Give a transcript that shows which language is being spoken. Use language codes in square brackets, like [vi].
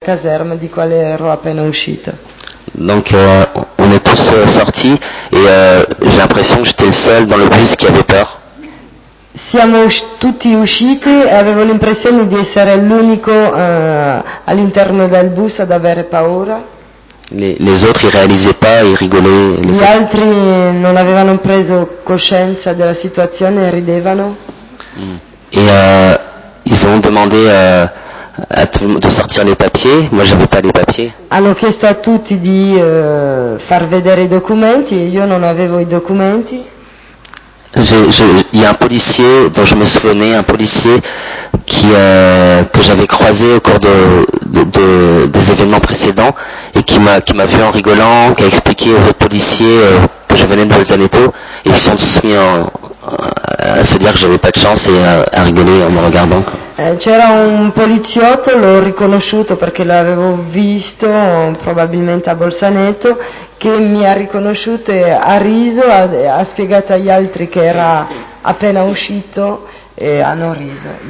[it] caserme di quale ero appena uscita. [fr] Donc on est tous sortis et j'ai l'impression que j'étais le seul dans le bus qui avait peur. [it] Siamo tutti usciti e avevo l'impressione di essere l'unico all'interno del bus ad avere paura. [fr] Les autres ils réalisaient pas, ils rigolaient. [it] Gli altri non avevano preso coscienza della situazione e ridevano. [fr] Et ils ont demandé à tout, de sortir les papiers. Moi j'avais pas les papiers. [it] Hanno chiesto a tutti di far vedere i documenti e io non avevo i documenti. [fr] Il y a un policier dont je me souvenais, un policier qui que j'avais croisé au cours des événements précédents et qui m'a vu en rigolant, qui a expliqué aux autres policiers que je venais de Bolzaneto, et ils sont tous mis à se dire que j'avais pas de chance et à rigoler en me regardant. [it] C'era un poliziotto, l'ho riconosciuto perché l'avevo visto probabilmente a Bolzaneto, che mi ha riconosciuto e ha riso, ha spiegato agli altri che era appena uscito e hanno riso,